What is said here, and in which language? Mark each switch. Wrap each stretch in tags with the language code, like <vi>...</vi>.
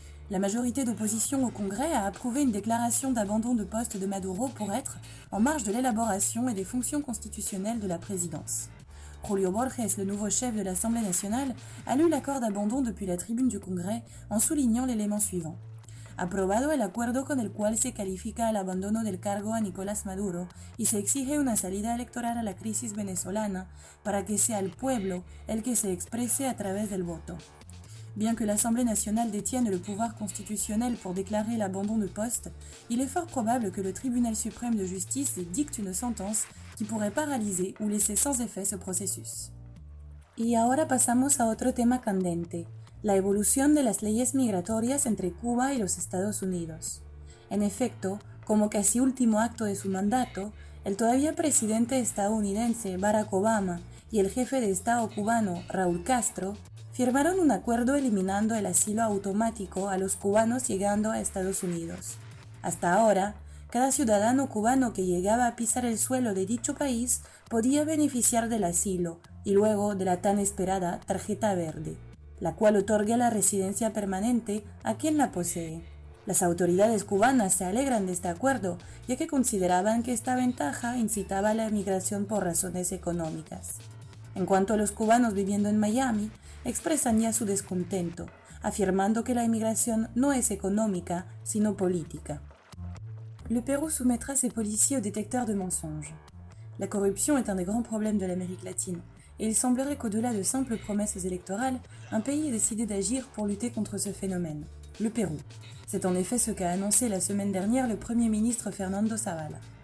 <fr>La majorité d'opposition au Congrès a approuvé une déclaration d'abandon de poste de Maduro pour être en marge de l'élaboration et des fonctions constitutionnelles de la présidence. Julio Borges, le nouveau chef de l'Assemblée nationale, a lu l'accord d'abandon depuis la tribune du Congrès en soulignant l'élément suivant.</fr> <es>Aprobado el acuerdo con el cual se califica el abandono del cargo a Nicolás Maduro y se exige una salida electoral a la crisis venezolana para que sea el pueblo el que se exprese a través del voto.</es> <fr>Bien que l'Assemblée nationale détienne le pouvoir constitutionnel pour déclarer l'abandon de poste, il est fort probable que le Tribunal suprême de justice dicte une sentence qui pourrait paralyser ou laisser sans effet ce processus.</fr> <es>Y ahora pasamos a otro tema candente, la evolución de las leyes migratorias entre Cuba y los Estados Unidos. En efecto, como casi último acto de su mandato, el todavía presidente estadounidense Barack Obama y el jefe de Estado cubano Raúl Castro firmaron un acuerdo eliminando el asilo automático a los cubanos llegando a Estados Unidos. Hasta ahora, cada ciudadano cubano que llegaba a pisar el suelo de dicho país podía beneficiar del asilo y luego de la tan esperada tarjeta verde, la cual otorga la residencia permanente a quien la posee. Las autoridades cubanas se alegran de este acuerdo, ya que consideraban que esta ventaja incitaba a la emigración por razones económicas. En cuanto a los cubanos viviendo en Miami, expresan ya su descontento, afirmando que la inmigración no es económica, sino política.</es> <fr>Le Pérou soumettra ses policiers au détecteur de mensonges. La corruption est un des grands problèmes de l'Amérique latine, et il semblerait qu'au-delà de simples promesses électorales, un pays ait décidé d'agir pour lutter contre ce phénomène, le Pérou. C'est en effet ce qu'a annoncé la semaine dernière le Premier ministre Fernando Zavala.</fr>